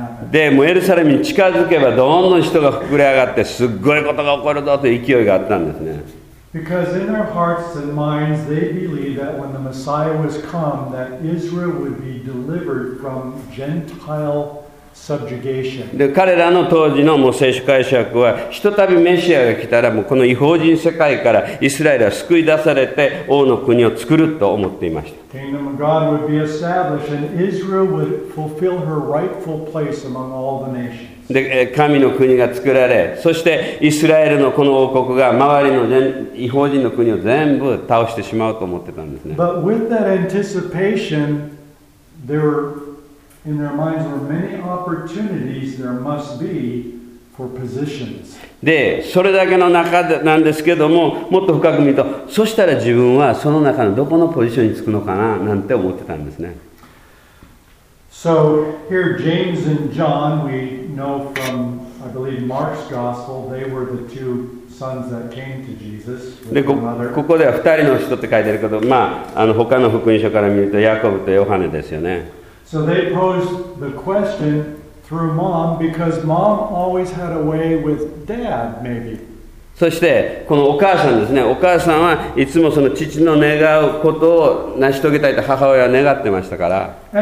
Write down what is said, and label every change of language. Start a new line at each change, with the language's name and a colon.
Japanese: でもうエルサレムに近づけばどんどん人が膨れ上がってすっごいことが起こるぞという勢いがあったんですね。
English: Because in their hearts and minds, they believed that when the Messiah was come, that Israel would be delivered from Gentile subjugation.
Japanese: で、彼らの当時のもう聖書解釈は、ひとたびメシアが来たら、もうこの異邦人世界からイスラエルは救い出されて王の国を作ると思っていました。
English: The kingdom of God would be established, and Israel would fulfill her rightful place among all the nations.
Japanese: で神の国が作られ、そしてイスラエルのこの王国が周りの異邦人の国を全部倒してしまうと思ってたんですね。
English: But with that anticipation, there were, in their minds were many opportunities there must be for positions.
Japanese: で、それだけの中でなんですけども、もっと深く見ると、そしたら自分はその中のどこのポジションにつくのかななんて思ってたんですね。
English: So here James and John, we know from, I believe, Mark's gospel, they were the two sons that came to Jesus with their mother.
Japanese: ここでは二人の人って書いてあるけど、まあ、あの他の福音書から見るとヤコブとヨハネですよね。
English: So they posed the question through mom because mom always had a way with dad, maybe.
Japanese: そしてこのお母さんですね、お母さんはいつもその父の願うことを成し遂げたいと母親は願ってましたから。